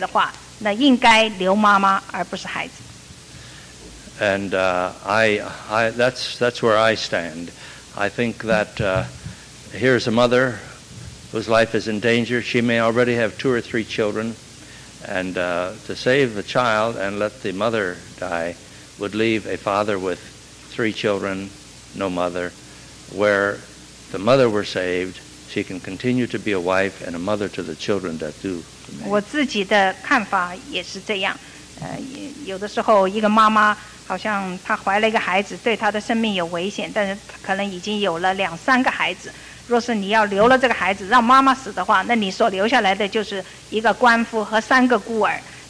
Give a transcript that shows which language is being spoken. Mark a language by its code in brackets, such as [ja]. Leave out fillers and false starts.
[zh] 福音派的人他们认为，若是一个孩子生出来影响到妈妈的生命受威胁的话，那应该留妈妈而不是孩子。 [en] And that's where I stand. I think that here's a mother whose life is in danger. She may already have 2 or 3 children. And to save the child and let the mother die would leave a father with 3 children, no mother. Where the mother were saved, she can continue to be a wife and a mother to the children that do. [zh] 我自己的看法也是这样，有的时候一个妈妈好像她怀了一个孩子，对她的生命有危险，但是可能已经有了两三个孩子。若是你要留了这个孩子，让妈妈死的话，那你所留下来的就是一个官夫和三个孤儿。